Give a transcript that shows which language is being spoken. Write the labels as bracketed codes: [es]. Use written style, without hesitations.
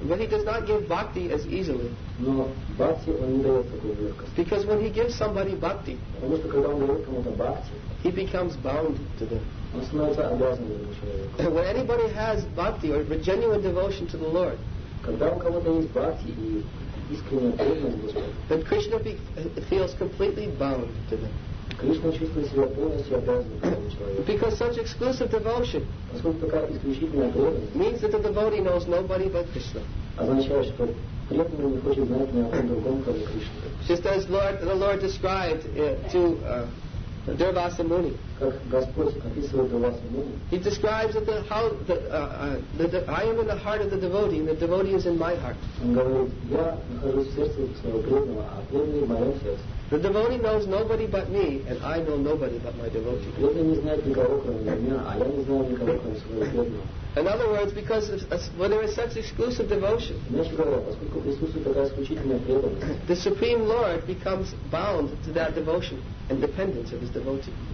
[en] But he does not give bhakti as easily. [ru] Но бхакти он не дает такой легкости. [en] Because when he gives somebody bhakti, [ru] потому что когда он дает кому-то бхакти, [en] he becomes bound to them. [ru] Он становится обязанным этому человеку. [en] When anybody has bhakti or genuine devotion to the Lord, [ru] когда у кого-то есть бхакти и искренняя преданность Господу, [en] then Krishna feels completely bound to them. [ru] Кришна чувствует себя полностью обязанным к этому человеку. [en] Because such exclusive devotion, [ru] поскольку такая исключительная преданность, [en] means that the devotee knows nobody but Krishna. [ru] Означает, что преданный не хочет знать ни о ком другом, кроме Кришны. [en] Just as the Lord described to Durvasa Muni. [ru] Как Господь описывает Durvasa Muni. [en] He describes that I am in the heart of the devotee, and the devotee is in my heart. [ru] Он говорит, я нахожусь в сердце своего преданного, а преданный в моем сердце. [en] The devotee knows nobody but me, and I know nobody but my devotee. [ru] Преданный не знает никого, кроме меня, а я не знаю никого, кроме своего преданного. [en] In other words, because there is such exclusive devotion, the Supreme Lord becomes bound to that devotion and dependence of his devotee.